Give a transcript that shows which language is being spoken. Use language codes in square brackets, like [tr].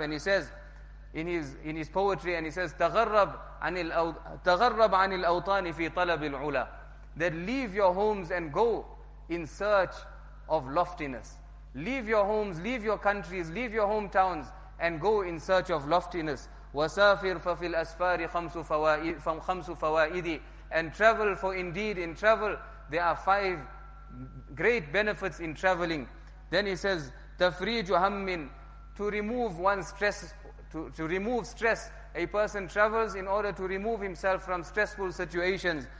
[en] And he says in his poetry, and he says, [ar] تغرب عن الأوطان في طلب العلا. [en] That leave your homes and go in search of loftiness. Leave your homes, leave your countries, leave your hometowns, and go in search of loftiness. [ar] وسافر ففي الأسفار خمس فوائد. [en] And travel, for indeed in travel there are five great benefits in traveling. Then he says, [ar] تفريج هم, [en] to remove one's stress, to remove stress. A person travels in order to remove himself from stressful situations.